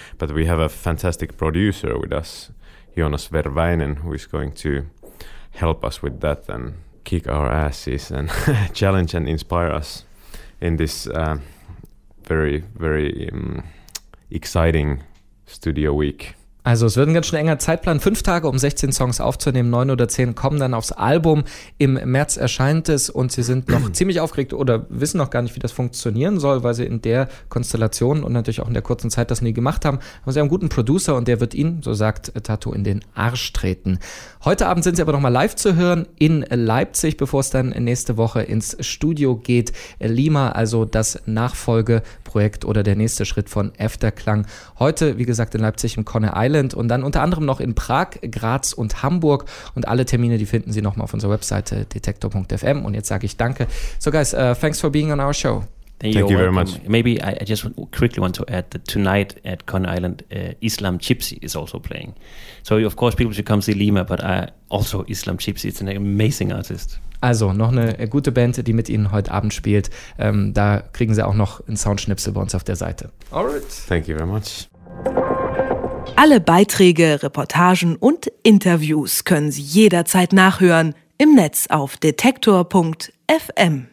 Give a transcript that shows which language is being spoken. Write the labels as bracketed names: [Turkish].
[English] But we have a fantastic producer with us, Jonas Verväinen, who is going to help us with that and kick our asses and challenge and inspire us in this very, very exciting studio week. [German] Also es wird ein ganz schön enger Zeitplan, 5 Tage, um 16 Songs aufzunehmen, 9 oder 10 kommen dann aufs Album, im März erscheint es und sie sind noch ziemlich aufgeregt oder wissen noch gar nicht, wie das funktionieren soll, weil sie in der Konstellation und natürlich auch in der kurzen Zeit das nie gemacht haben, aber sie haben einen guten Producer und der wird ihnen, so sagt Tattoo, in den Arsch treten. Heute Abend sind sie aber nochmal live zu hören in Leipzig, bevor es dann nächste Woche ins Studio geht, Lima, also das Nachfolgeprojekt oder der nächste Schritt von Efterklang. Heute, wie gesagt, in Leipzig im Conne Island. Und dann unter anderem noch in Prag, Graz und Hamburg. Und alle Termine, die finden Sie nochmal auf unserer Webseite detektor.fm. Und jetzt sage ich danke. [English] So guys, thanks for being on our show. Thank you very much. Maybe I just quickly want to add that tonight at Conne Island, Islam Gypsy is also playing. So of course people should come see Lima, but also Islam Gypsy is an amazing artist. [German] Also noch eine gute Band, die mit Ihnen heute Abend spielt. Da kriegen Sie auch noch einen Soundschnipsel bei uns auf der Seite. [English] Alright. Thank you very much. [German] Alle Beiträge, Reportagen und Interviews können Sie jederzeit nachhören im Netz auf detektor.fm.